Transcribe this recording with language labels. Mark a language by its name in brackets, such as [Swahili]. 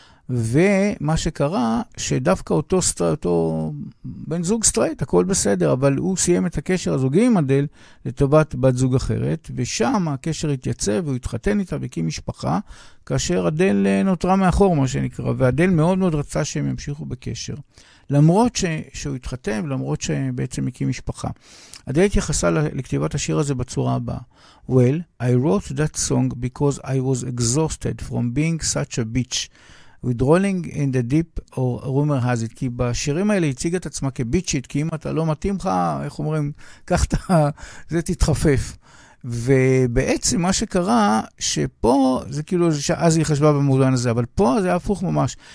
[Hebrew] ומה שקרה, שדווקא אותו סטרייט, אותו בן זוג סטרייט, הכל בסדר, אבל הוא סיים את הקשר הזוגי עם אדל, לטובת בת זוג אחרת, ושם הקשר התייצב, והוא התחתן איתה והקים משפחה, כאשר אדל נותרה מאחור, מה שנקרא, ואדל מאוד מאוד רצה שהם ימשיכו בקשר. למרות שהוא התחתם, למרות שבעצם הקים משפחה. אדל התייחסה לכתיבת השיר הזה בצורה הבאה. [English] Well, I wrote that song because I was exhausted from being such a bitch. With rolling in the deep or rumor has it. [Hebrew] כי בשירים האלה הציג את עצמה כביצ'ית, כי אם אתה לא מתאים לך, איך אומרים, כך אתה, זה תתחפף. ובעצם מה שקרה, שפה, זה כאילו, אז היא חשבה במובן הזה, אבל פה זה הפוך ממש.